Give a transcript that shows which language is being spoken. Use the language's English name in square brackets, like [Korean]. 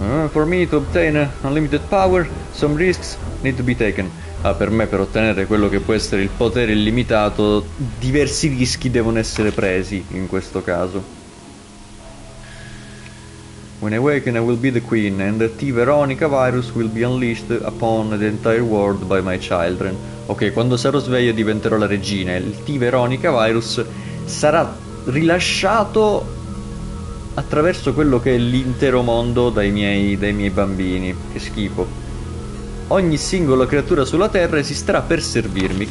[English] For me to obtain unlimited power, some risks need to be taken. [Italian] Ah, per me, per ottenere quello che può essere il potere illimitato, diversi rischi devono essere presi, in questo caso. [English] When I awaken, I will be the queen, and the T. Veronica virus will be unleashed upon the entire world by my children. [Italian] Ok, quando sarò sveglio diventerò la regina, e il T. Veronica virus sarà rilasciato attraverso quello che è l'intero mondo dai miei bambini. Che schifo. Ogni singola creatura sulla Terra esisterà per servirmi.